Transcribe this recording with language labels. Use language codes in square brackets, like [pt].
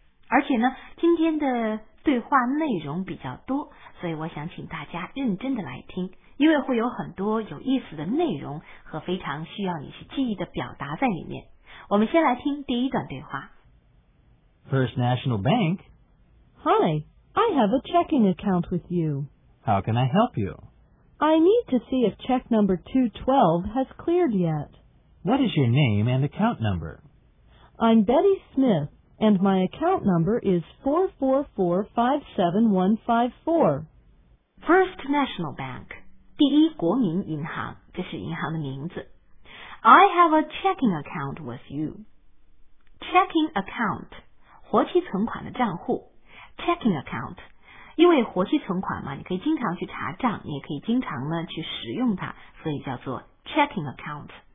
[zh] 而且呢，今天的对话内容比较多，所以我想请大家认真的来听，因为会有很多有意思的内容和非常需要你去记忆的表达在里面。我们先来听第一段对话。 [en] First National Bank. Hi, I have a checking account with you. How can I help you? I need to see if check number 212 has cleared yet. What is your name and account number? I'm Betty Smith, and my account number is 444-57154. First National Bank. [zh] 第一国民银行，这是银行的名字。 [en] I have a checking account with you. Checking account. [zh] 活期存款的账户 checking account， 因为活期存款嘛，你可以经常去查账，你也可以经常呢去使用它，所以叫做 checking account。